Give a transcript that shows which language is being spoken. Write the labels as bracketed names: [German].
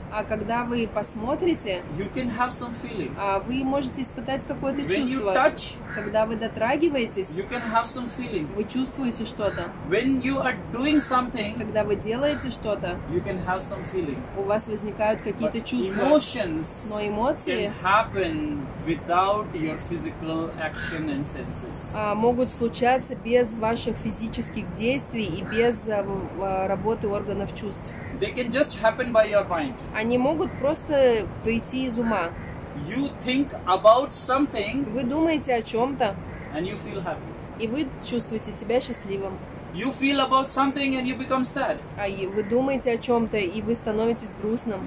[Russian] а когда вы посмотрите, [English] you can have some feeling. [Russian] А вы можете испытать какое-то чувство. [English] When you touch, [Russian] когда вы дотрагиваетесь, [English] you can have some feeling. [Russian] Вы чувствуете что-то. [English] When you are doing something, [Russian] когда вы делаете что-то, [English] you can have some feeling. [Russian] У вас возникают какие-то [English] But [Russian] чувства. [English] Emotions, [Russian] но эмоции [English] can happen without your physical action and senses. [Russian] Могут случаться без ваших физических действий и без работы органов чувств. [English] They can just happen by your mind. [Russian] Они могут просто прийти из ума. [English] You think about something, [Russian] вы думаете о чем-то, [English] and you feel happy. [Russian] И вы чувствуете себя счастливым. [English] You feel about something and you become sad. [Russian] А вы думаете о чем-то, и вы становитесь грустным.